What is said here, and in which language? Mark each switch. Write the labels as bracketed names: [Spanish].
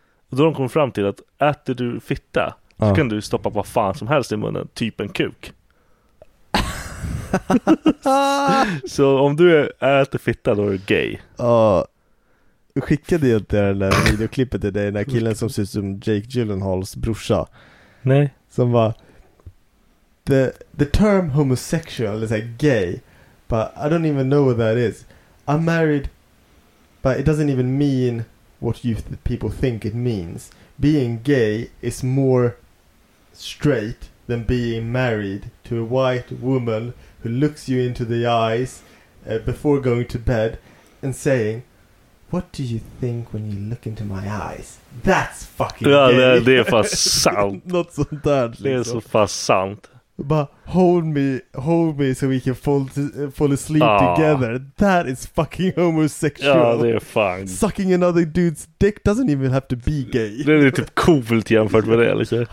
[Swedish] Och då de kom fram till att äter du fitta, så kan du stoppa vad fan som helst i munnen, typ en kuk. Så om du äter fitta då är du gay. Ja. Skickade jag inte den där videoklippet till dig, den där killen som ser ut som Jake Gyllenhaals brorsa. Nej. Som bara [English] the term homosexual is like gay, but I don't even know what that is. I'm married, but it doesn't even mean what you people think it means. Being gay is more straight than being married to a white woman who looks you into the eyes before going to bed and saying, what do you think when you look into my eyes? That's fucking gay. [Swedish] Ja, det är fast sant. Något sånt där. Liksom. Det är så fast sant. Bara, [English] hold me so we can fall asleep together. That is fucking homosexual. [Swedish] Ja, det är fan. [English] Sucking another dude's dick doesn't even have to be gay. [Swedish] Det är typ coolt jämfört med det, liksom.